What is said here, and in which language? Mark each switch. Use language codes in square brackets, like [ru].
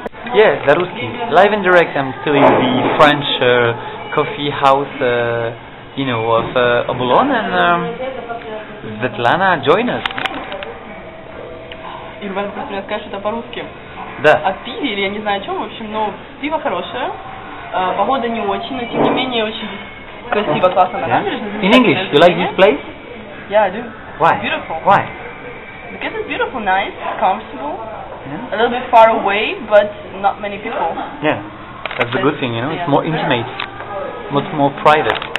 [en] Yes, Zarusky. Live and direct, I'm still in the French coffee house, you know, of Obolon, and Svetlana, join us. [ru] Ирван, просто мне скажешь, что это по-русски. Да. О пиве, или я не знаю о чем, в общем, но пиво хорошее, погода не очень, но тем не менее, очень красиво, классно на набережной. [en] In English, you like this place? Yeah, I do. Why? It's beautiful. Why? Because it's beautiful, nice, comfortable, yeah. A little bit far away, but not many people. Yeah, that's a good thing, you know, it's more intimate, much more private.